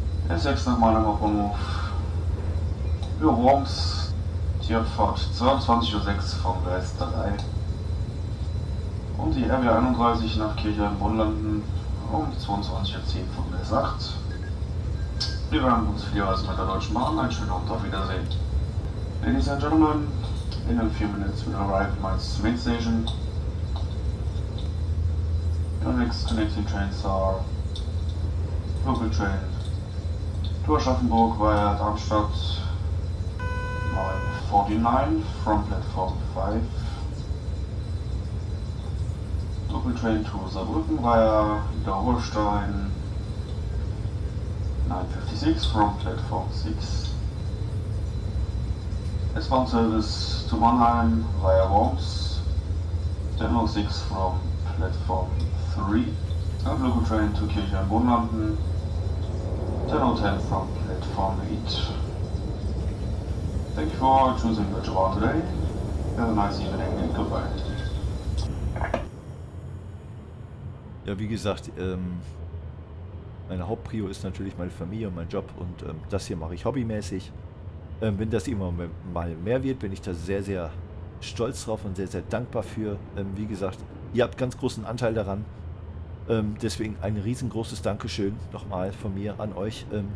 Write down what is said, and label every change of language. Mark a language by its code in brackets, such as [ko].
[de] S6 nach Mannheim Hauptbahnhof. Über Worms. Tierfahrt 22:06 von Gleis 3. Und die RB 31 nach Kirchheim Bonlanden um 22:10 von Gleis 8. Wir werden uns vielerweise mit der Deutschen Bahn. Einen schönen Abend, auf Wiedersehen. [en] Ladies and Gentlemen, in a few minutes we'll arrive at Mainz Main Station. Your next connecting trains are local train to Aschaffenburg via Darmstadt, line 49 from platform 5. Local train to Saarbrücken via Niederholstein, 956 from platform 6. S-Bahn Service to Mannheim via Worms, 1006 from platform 3. And local train to Kirchheim Bonlanden, 1010 from platform 8. Thank you for choosing Deutsche Bahn today. Have a nice evening and goodbye. [de] Ja, wie gesagt, meine Hauptprio ist natürlich meine Familie und mein Job und das hier mache ich hobbymäßig. Wenn das immer mal mehr wird, bin ich da sehr, sehr stolz drauf und sehr, sehr dankbar für. Wie gesagt, ihr habt ganz großen Anteil daran. Deswegen ein riesengroßes Dankeschön nochmal von mir an euch.